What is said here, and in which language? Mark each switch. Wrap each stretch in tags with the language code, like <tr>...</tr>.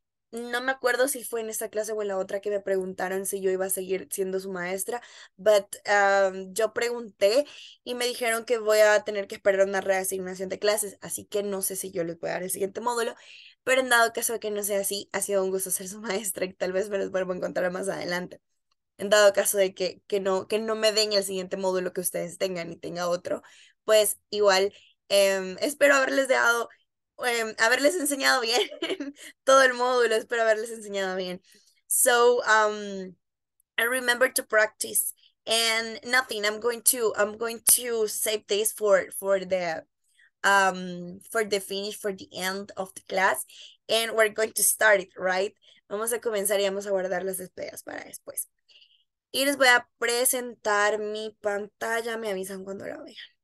<es>No me acuerdo si fue en esta clase o en la otra que me preguntaron si yo iba a seguir siendo su maestra, but yo pregunté y me dijeron que voy a tener que esperar una reasignación de clases, así que no sé si yo les voy a dar el siguiente módulo, pero en dado caso de que no sea así, ha sido un gusto ser su maestra y tal vez me los vuelvo a encontrar más adelante. En dado caso de que no me den el siguiente módulo que ustedes tengan y tenga otro, pues igual espero haberles dado. Haberles enseñado bien todo el módulo, espero haberles enseñado bien.</es> <en>So, I remember to practice and nothing, I'm going to save this for the finish, for the end of the class and we're going to start it, right?</en> <es>Vamos a comenzar y vamos a guardar las despedidas para después. Y les voy a presentar mi pantalla, me avisan cuando la vean.</es>